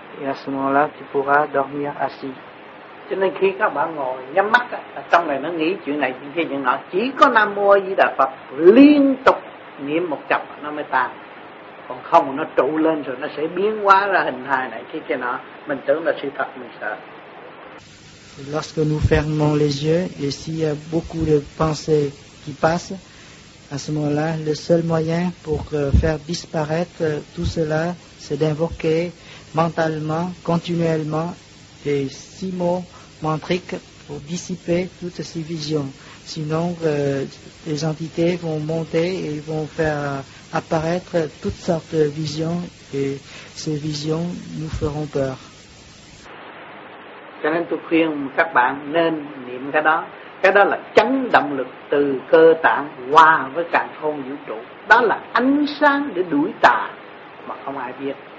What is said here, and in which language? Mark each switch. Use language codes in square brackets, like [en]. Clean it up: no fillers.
[fr] Et à ce moment-là, tu pourras dormir assis. [vi] Cho nên khi các bạn ngồi nhắm mắt á, trong này nó nghĩ chuyện này chuyện kia chuyện nọ, chỉ có Nam Mô A Di Đà Phật liên tục niệm một chập nó mới tan. Còn không nó trụ lên rồi nó sẽ biến hóa ra hình hài này kia kia nọ, mình tưởng là sự thật mình sợ. [fr] Lorsque nous fermons les yeux et s'il y a beaucoup de pensées qui passent, à ce moment-là, le seul moyen pour faire disparaître tout cela, c'est d'invoquer mentalement, continuellement, des six mots mantriques pour dissiper toutes ces visions. Sinon, les entités vont monter et vont faire apparaître toutes sortes de visions, et ces visions nous feront peur. [vi] Cho nên tôi khuyên các bạn nên niệm cái đó. Cái đó là chấn động lực từ cơ tạng hòa với càn khôn vũ trụ. Đó là ánh sáng để đuổi tà mà không ai biết.